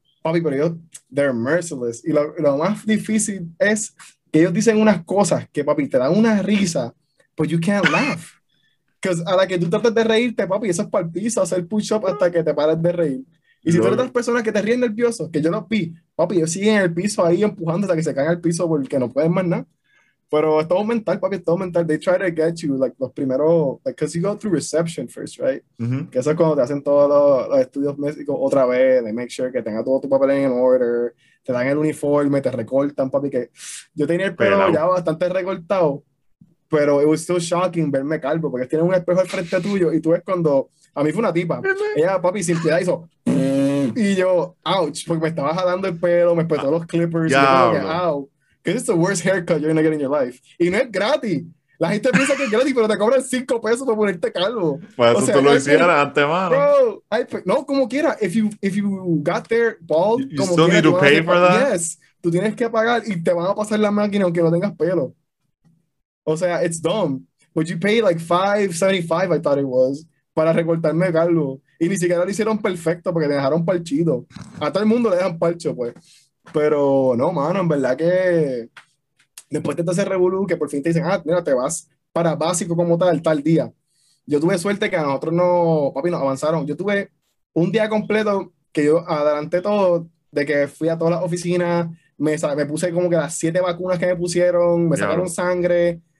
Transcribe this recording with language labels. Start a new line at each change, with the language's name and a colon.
Spanish: Papi, pero ellos,
English: they're merciless.
Spanish: Y lo más difícil es que ellos dicen unas cosas que, papi, te dan una risa,
English: but you can't laugh. Because
Spanish: a la que tú tratas de reírte, papi, eso es para el piso, hacer push-up hasta que te paras de reír. Y si tú eres de las personas que te ríen nervioso, que yo no vi, papi, ellos siguen en el piso ahí empujando hasta que se caen al piso porque no pueden más nada. Pero es todo mental, papi, es todo mental.
English: They try to get you, like,
Spanish: los primeros,
English: like, because you go through reception first, right?
Spanish: Que eso es cuando te hacen todos los estudios médicos otra vez,
English: they make sure
Spanish: que tenga todo tu papel en order, te dan el uniforme, te recortan, papi, que yo tenía el pelo ya bastante recortado, pero
English: it was still shocking
Spanish: verme calvo, porque tienen un espejo al frente tuyo, y tú ves cuando, a mí fue una tipa, ella, papi, sin piedad hizo, y yo, ouch, porque me estaba jalando el pelo, me espetó los clippers, yeah, y yo dije, ouch.
English: Because it's the worst haircut you're going to get in your life.
Spanish: Y no es gratis. La gente piensa que es gratis, pero te cobran 5 pesos por ponerte calvo. Pues eso, o sea, tú lo hicieras antes, mano.
English: Bro,
Spanish: no, como quiera.
English: If you got there bald, you
Spanish: como
English: still
Spanish: quiera,
English: need to pay for that? Yes.
Spanish: Tú tienes que pagar y te van a pasar la máquina aunque no tengas pelo. O sea,
English: it's dumb. Would you pay like $5.75, I thought it was,
Spanish: para recortarme calvo? Y ni siquiera lo hicieron perfecto porque te dejaron parchito. A todo el mundo le dejan parcho, pues. Pero no, mano, en verdad que después de ese revolú, que por fin te dicen, ah, mira, te vas para básico como tal día. Yo tuve suerte que a nosotros no, papi, nos avanzaron. Yo tuve un día completo que yo adelanté todo, de que fui a todas las oficinas, me puse como que las 7 vacunas que me pusieron, me sacaron sangre.